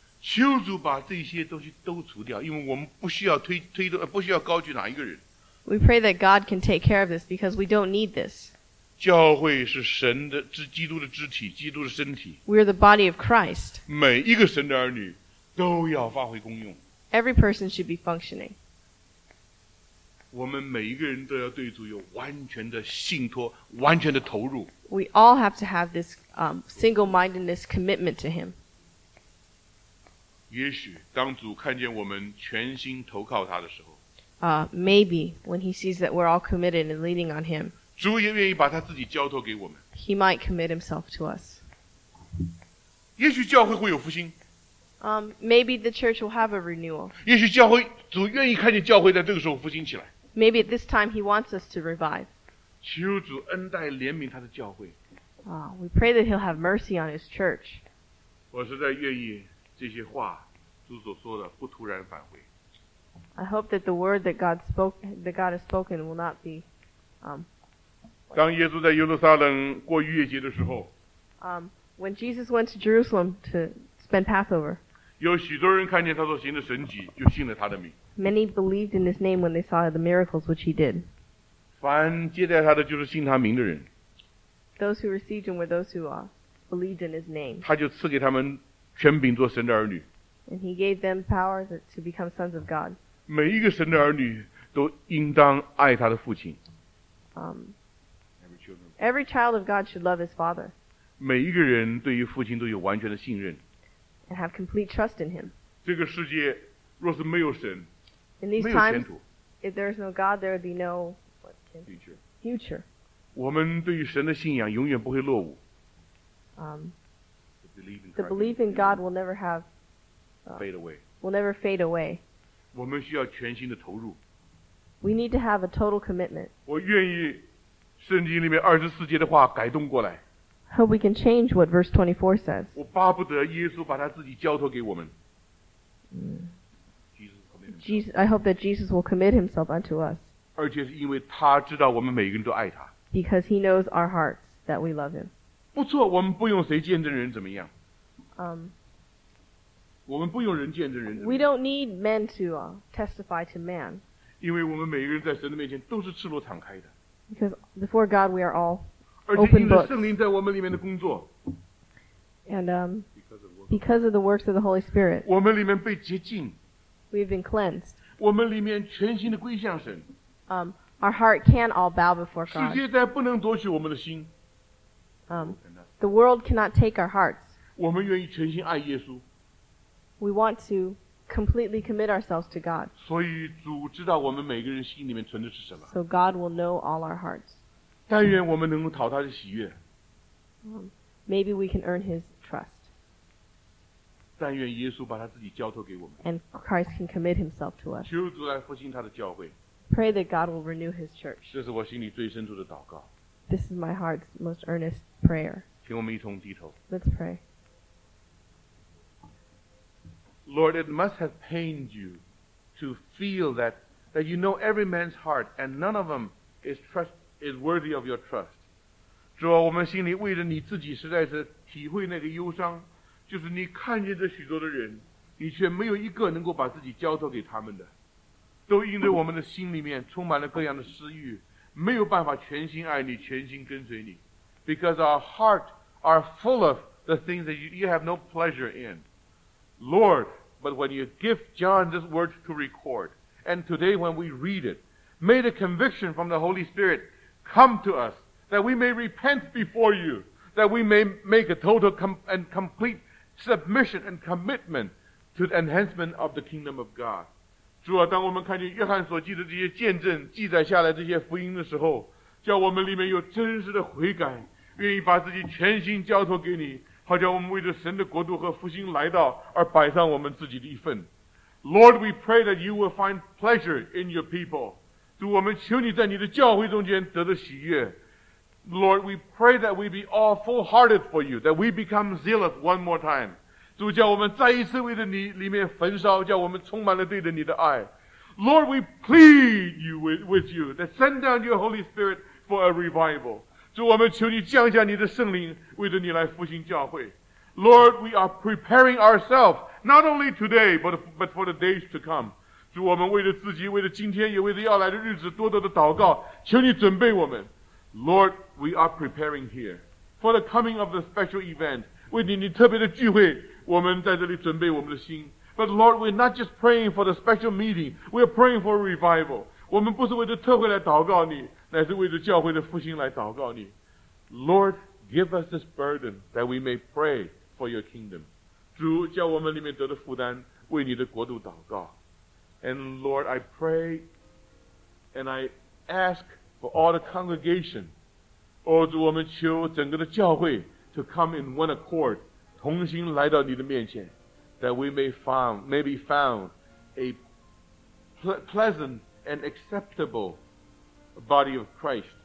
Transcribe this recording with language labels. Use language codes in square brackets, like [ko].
[zh] 求主把这些东西都除掉，因为我们不需要推动，不需要高举哪一个人。 [en] We pray that God can take care of this because we don't need this. [zh] 教会是神的基督的肢体，基督的身体。 [en] We are the body of Christ. [zh] 每一个神的儿女都要发挥功用。 [en] Every person should be functioning. [zh] 我们每一个人都要对主有完全的信托，完全的投入。 [en] We all have to have this single-mindedness commitment to Him. [zh] 也许当主看见我们全心投靠他的时候 [en] ，Maybe when He sees that we're all committed and leaning on Him. [zh] 主也愿意把他自己交托给我们。 [en] He might commit himself to us. [zh] 也许教会会有复兴。 [en] Maybe the church will have a renewal. [zh] 也许教会主愿意看见教会在这个时候复兴起来。 [en] Maybe at this time he wants us to revive. [zh] 求主恩待怜悯他的教会。 [en] We pray that he'll have mercy on his church. [zh] 我实在愿意这些话主所说的不突然返回。 [en] I hope that the word that God has spoken will not be. [zh] 当耶稣在耶路撒冷过逾越节的时候 [en] When Jesus went to Jerusalem to spend Passover, [zh] 有许多人看见他所行的神迹就信了他的名。 [en] Many believed in his name when they saw the miracles which he did. [zh] 凡接待他的就是信他名的人。 [en] Those who received him were those who believed in his name. [zh] 他就赐给他们权柄做神的儿女。 [en] And he gave them power to become sons of God. [zh] 每一个神的儿女都应当爱他的父亲。 [en] Every child of God should love his father. [zh] 每一个人对于父亲都有完全的信任。 [en] And have complete trust in him. [zh] 这个世界若是没有神，没有前途。 [en] In these times, if there is no God, there would be no future. [zh] 我们对于神的信仰永远不会落伍。 [en] The belief in God will never have fade away. Will never fade away. [zh] 我们需要全心的投入。 [en] We need to have a total commitment. [zh] 我愿意。圣经里面二十四节的话改动过来。 [en] Hope we can change what verse 24 says. [zh] 我巴不得耶稣把他自己交托给我们。 [en] I hope that Jesus will commit himself unto us. [zh] 而且是因为他知道我们每个人都爱他。 [en] Because he knows our hearts that we love him. [zh] 不错，我们不用谁见证人怎么样。我们不用人见证人。 [en] We don't need men to testify to man. [zh] 因为我们每个人在神的面前都是赤裸敞开的。 [en] Because before God, we are all open books. [zh] 而且因着圣灵在我们里面的工作。 [en] And because of the works of the Holy Spirit. [zh] 我们里面被洁净。 [en] We've been cleansed. [zh] 我们里面全心的归向神。 [en] Our heart can't all bow before God. [zh] 世界再不能夺取我们的心。 [en] The world cannot take our hearts. [zh] 我们愿意全心爱耶稣。 [en] We want to completely commit ourselves to God. [zh] 所以主知道我们每个人心里面存的是什么。 [en] So God will know all our hearts. [zh] 但愿我们能够讨他的喜悦。 [en] Maybe we can earn his trust. [zh] 但愿耶稣把他自己交托给我们。 [en] And Christ can commit himself to us. [zh] 求主来复兴他的教会。 [en] Pray that God will renew his church. [zh] 这是我心里最深处的祷告。 [en] This is my heart's most earnest prayer. [zh] 请我们一同低头。 [en] Let's pray. Lord, it must have pained you to feel that you know every man's heart and none of them is worthy of your trust. [zh] 主啊，我们心里为着你自己实在是体会那个忧伤，就是你看见这许多的人，你却没有一个能够把自己交托给他们的，都因着我们的心里面充满了各样的私欲，没有办法全心爱你，全心跟随你。 [en] Because our hearts are full of the things that you have no pleasure in. Lord, but when you give John this word to record, and today when we read it, may the conviction from the Holy Spirit come to us,that we may repent before you, that we may make a total and complete submission and commitment to the enhancement of the kingdom of God. [zh] 主啊，当我们看见约翰所记的这些见证，记载下来这些福音的时候，叫我们里面有真实的悔改，愿意把自己全心交托给你，好叫我们为着神的国度和复兴来到而摆上我们自己的一份。 [en] Lord, we pray that you will find pleasure in your people. [zh] 主，我们求你在你的教会中间得的喜悦。 [en] Lord, we pray that we be all full-hearted for you, that we become zealous one more time. [zh] 主，叫我们再一次为着你里面焚烧，叫我们充满了对着你的爱。 [en] Lord, we plead you with you that send down your Holy Spirit for a revival. [zh] 主，我们求你降下你的圣灵，为着你来复兴教会。 [en] Lord, we are preparing ourselves, not only today, but for the days to come. [zh] 主，我们为着自己，为着今天，也为着要来的日子，多多的祷告，求你准备我们。 [en] Lord, we are preparing here for the coming of the special event. [zh] 为你特别的聚会，我们在这里准备我们的心。 [en] But Lord, we're not just praying for the special meeting. We're praying for a revival. [zh] 我们不是为着特会来祷告你，乃是为着教会的复兴来祷告你。 [en] Lord, give us this burden that we may pray for your kingdom. [zh] 主，叫我们里面得的负担，为你的国度祷告。 [en] And Lord, I pray and I ask,for all the congregation, [zh] 主，我们求整个的教会 [en] to come in one accord, [zh] 同心来到你的面前, [en] that we may be found a pleasant and acceptable body of Christ.